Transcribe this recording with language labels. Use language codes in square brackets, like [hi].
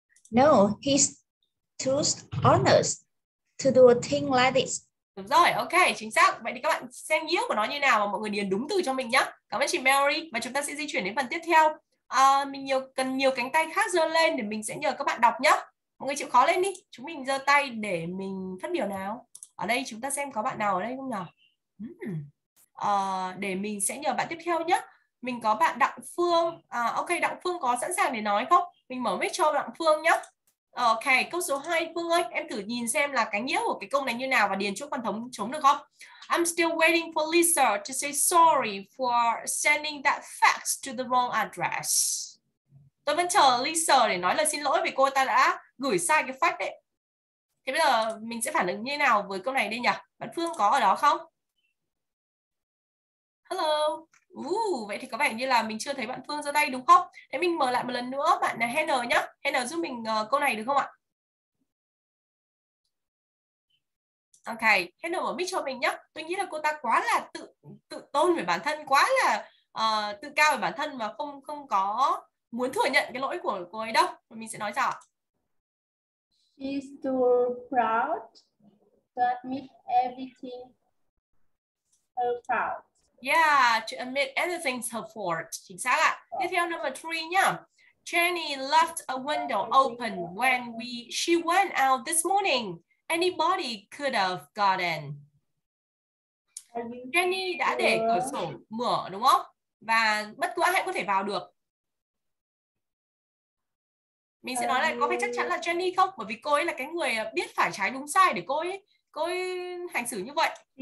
[en] No, he's too honest to do a thing like this. [vi] Đúng rồi, ok, chính xác. Vậy thì các bạn xem nghĩa của nó như nào và mọi người điền đúng từ cho mình nhá. Cảm ơn chị Mary. Và chúng ta sẽ di chuyển đến phần tiếp theo. Cần nhiều cánh tay khác giơ lên để mình sẽ nhờ các bạn đọc nhá. Mọi người chịu khó lên đi, chúng mình giơ tay để mình phát biểu nào. Ở đây chúng ta xem có bạn nào ở đây không nhỉ? Để mình sẽ nhờ bạn tiếp theo nhé. Mình có bạn Đặng Phương. Ok, Đặng Phương có sẵn sàng để nói không? Mình mở mic cho Đặng Phương nhé. Ok, câu số 2, Phương ơi, em thử nhìn xem là cái nghĩa của cái câu này như nào và điền chỗ con thống trống được không? [en] I'm still waiting for Lisa to say sorry for sending that fax to the wrong address. [vi] Tôi vẫn chờ Lisa để nói lời xin lỗi vì cô ta đã gửi sai cái fax đấy. Thế bây giờ mình sẽ phản ứng như nào với câu này đây nhỉ? Bạn Phương có ở đó không? Hello. Vậy thì có vẻ như là mình chưa thấy bạn Phương ra đây đúng không? Thế mình mở lại một lần nữa bạn Hannah nhé. Hannah giúp mình câu này được không ạ? Ok, Hannah mở mic cho mình nhé. Tôi nghĩ là cô ta quá là tự tôn về bản thân, quá là tự cao về bản thân mà không có muốn thừa nhận cái lỗi của cô ấy đâu. Mình sẽ nói sao ạ? [en] She's too proud to admit everything her fault. Yeah, to admit anything's her fault. [vi] Chính xác ạ. Tiếp theo number 3 nhá. [en] Jenny left a window open when she went out this morning. Anybody could have gotten. [vi] Jenny đã để cửa sổ mở đúng không? Và bất cứ ai có thể vào được. Mình sẽ nói là có phải chắc chắn là Jenny không? Bởi vì cô ấy là cái người biết phải trái đúng sai để cô ấy hành xử như vậy.